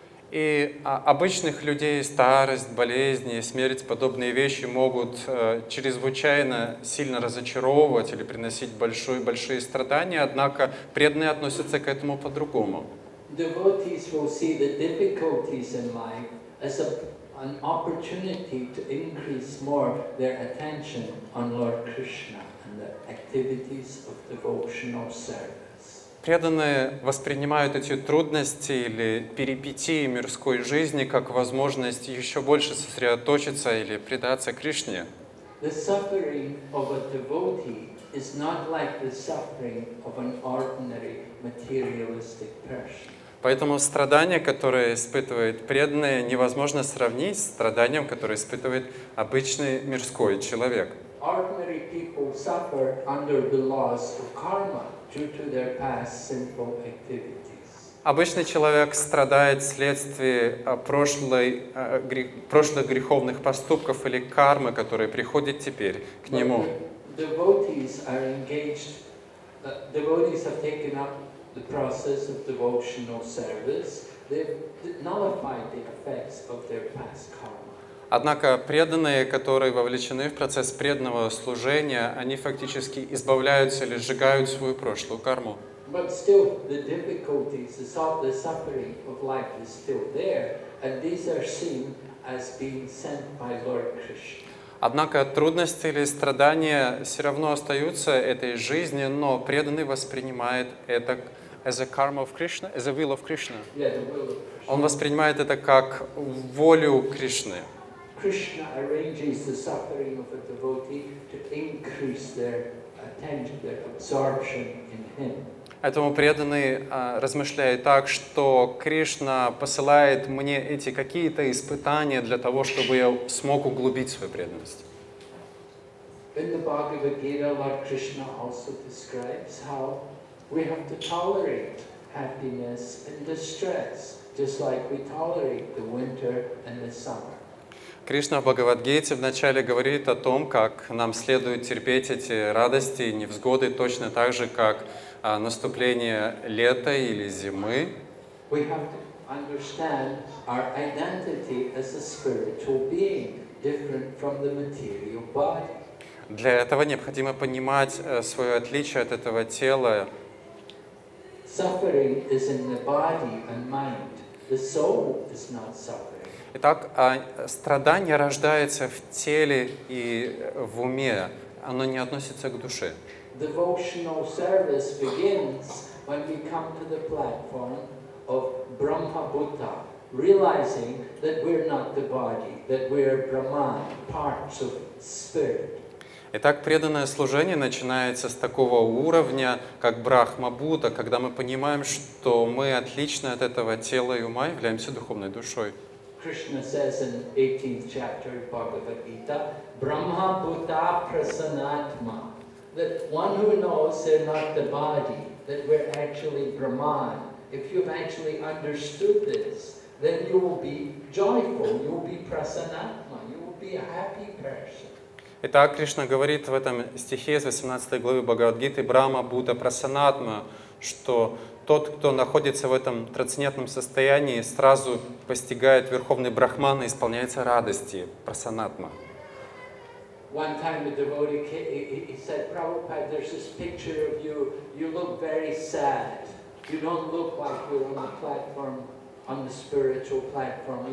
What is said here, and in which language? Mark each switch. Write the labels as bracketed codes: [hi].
[ru] И обычных людей старость, болезни, смерть, подобные вещи могут чрезвычайно сильно разочаровывать или приносить большие страдания, однако преданные относятся к этому по-другому. [en] Devotees will see the difficulties in life as an opportunity to increase more their attention on Lord Krishna and the activities of devotional service. [ru] Преданные воспринимают эти трудности или перипетии мирской жизни как возможность еще больше сосредоточиться или предаться Кришне. [en] The suffering of a devotee is not like the suffering of an ordinary materialistic person. [ru] Поэтому страдания, которые испытывает преданные, невозможно сравнить с страданием, которое испытывает обычный мирской человек. [en] Ordinary people suffer under the laws of karma. Due to their past sinful activities. [ru] Обычный человек страдает вследствие прошлых греховных поступков или кармы, которые приходят теперь к нему. [en] Devotees are engaged. Devotees have taken up the process of devotional service. They've nullified the effects of their past karma. [ru] Однако преданные, которые вовлечены в процесс преданного служения, они фактически избавляются или сжигают свою прошлую карму. [en] But still, the difficulties, the suffering of life is still there, and these are seen as being sent by Lord Krishna. [ru] Однако трудности или страдания все равно остаются этой жизни, но преданный воспринимает это [en] as a karma of Krishna, as a will of Krishna. Yeah, the will of Krishna. [ru] Он воспринимает это как волю Кришны. [en] Krishna arranges the suffering of a devotee to increase their attention, their absorption in him. [ru] Поэтому преданный размышляет так, что Кришна посылает мне эти какие-то испытания для того, чтобы я смог углубить свою преданность. [en] In the Bhagavad Gita, Lord Krishna also describes how we have to tolerate happiness and distress, just like we tolerate the winter and the summer. [ru] Кришна в Бхагавад-гите вначале говорит о том, как нам следует терпеть эти радости и невзгоды, точно так же, как наступление лета или зимы. [en] We have to understand our identity as a spiritual being, different from the material body. [ru] Для этого необходимо понимать свое отличие от этого тела. [en] Suffering is in the body and mind. The soul is not suffering. [ru] Итак, страдание рождается в теле и в уме. Оно не относится к душе. [en] Devotional service begins when we come to the platform of Brahma Buddha, realizing that we're not the body, that we're Brahman, parts of spirit. [ru] Итак, преданное служение начинается с такого уровня, как Брахма Будда, когда мы понимаем, что мы отличны от этого тела и ума, являемся духовной душой. [en] Krishna says in 18th chapter of Bhagavad Gita, Brahma Buddha Prasanatma, that one who knows they're not the body, that we're actually Brahman, if you've actually understood this, then you will be joyful, you will be Prasanatma, you will be a happy person. [ru] Итак, Кришна говорит в этом стихе из 18 главы Бхагавад Гиты, Брахма Будда Прасанатма, что тот, кто находится в этом трансцендентном состоянии, сразу постигает верховный брахман и исполняется радости, прасанатма. [en] One time a devotee came, he said, Prabhupada, there's this picture of you, you look very sad. You don't look like you're on the platform, on the spiritual platform.